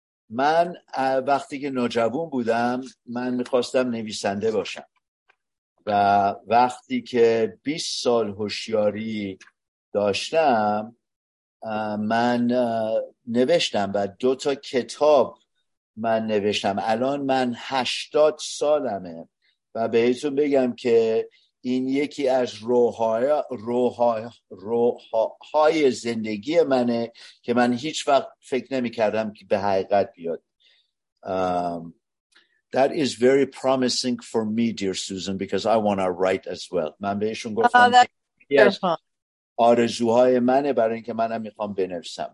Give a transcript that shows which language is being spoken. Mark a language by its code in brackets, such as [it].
[fa] من وقتی که نوجوان بودم، من میخواستم نویسنده باشم و وقتی که 20 سال هوشیاری داشتم، من نوشتم و 2 کتاب من نوشتم. الان من 80 سالمه و بهتون بگم که این یکی از روحای زندگی منه که من هیچ وقت فکر نمی کردم که به حقیقت بیاد. [en] That is very promising for me, dear Susan, because I want to write as well. [fa] من بهشون گفتم [en] yes, [fa] آرزوهای منه برای اینکه منم می خوام بنویسم.